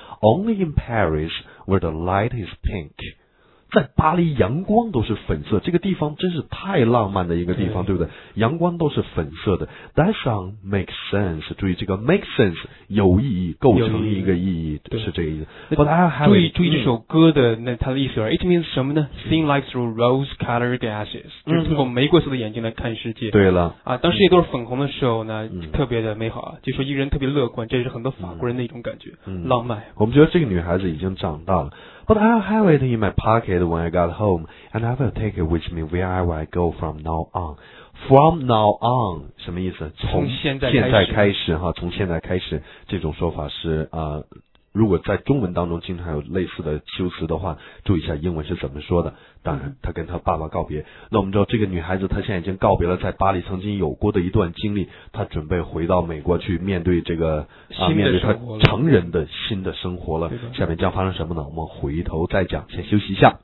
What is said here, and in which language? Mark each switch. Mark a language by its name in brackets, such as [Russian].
[English] Only in Paris, where the light is pink. [Chinese] 在巴黎阳光都是粉色，这个地方真是太浪漫的一个地方，对不对？阳光都是粉色的。 That song makes sense. 注意这个 make sense 有意义，构成一个意义，是这个意思。 But I have 注意这首歌的那它的意思。 [English] It means 什么呢？ Seeing life through rose-colored glasses. [Chinese] 就是通过玫瑰色的眼睛来看世界。对了。啊，当世界都是粉红的时候呢，特别的美好啊。就说一个人特别乐观，这是很多法国人的一种感觉，浪漫。我们觉得这个女孩子已经长大了。 [English] But I'll have it in my pocket when I got home, and I will take it with me wherever I go from now on. From now on, 什么意思？ [Chinese] 从现在开始哈，从现在开始，这种说法是如果在中文当中经常有类似的修辞的话，注意一下英文是怎么说的。当然，她跟她爸爸告别。那我们知道，这个女孩子她现在已经告别了在巴黎曾经有过的一段经历，她准备回到美国去面对这个面对她成人的新的生活了。下面将发生什么呢？我们回头再讲，先休息一下。